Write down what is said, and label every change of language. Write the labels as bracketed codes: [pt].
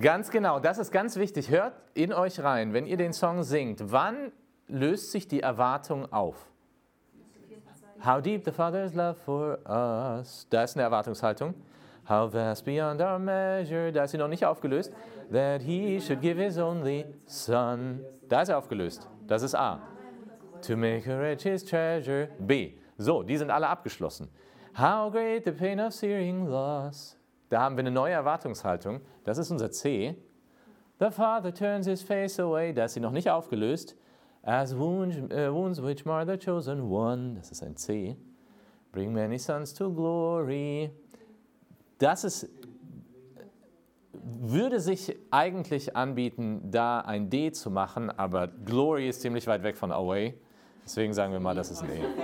[de] Ganz genau, das ist ganz wichtig. Hört in euch rein, wenn ihr den Song singt. Wann löst sich die Erwartung auf? [en] How deep the Father's love for us. [de] Da ist eine Erwartungshaltung. [en] How vast beyond our measure. [de] Da ist sie noch nicht aufgelöst. [en] That he should give his only son. [de] Da ist er aufgelöst. Das ist A. [en] To make a rich his treasure. [de] B. So, die sind alle abgeschlossen. [en] How great the pain of searing loss. [de] Da haben wir eine neue Erwartungshaltung. Das ist unser C. [en] The father turns his face away. [de] Da ist sie noch nicht aufgelöst. [en] As wounds which mar the chosen one. [de] Das ist ein C. [en] Bring many sons to glory. [de] Das ist, würde sich eigentlich anbieten, da ein D zu machen, aber glory ist ziemlich weit weg von away. Deswegen sagen wir mal, das ist ein E.